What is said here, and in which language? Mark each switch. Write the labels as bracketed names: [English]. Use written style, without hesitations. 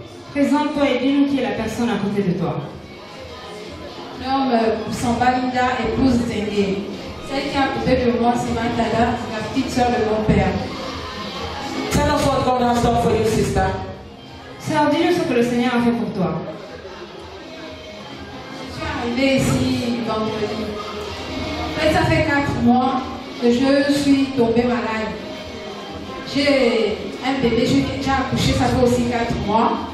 [French] Présente-toi et dis-nous qui est la personne à côté de toi. Nomme Sambalinda, épouse Zengue. Celle qui est à côté de moi, c'est Mandala, la petite soeur de mon père. [English] Tell us what God has done for you, sister. [French] Sœur, dis-nous ce que le Seigneur a fait pour toi. Je suis arrivée ici vendredi. Mais ça fait 4 mois que je suis tombée malade. J'ai un bébé, j'ai accouché, ça fait aussi 4 mois.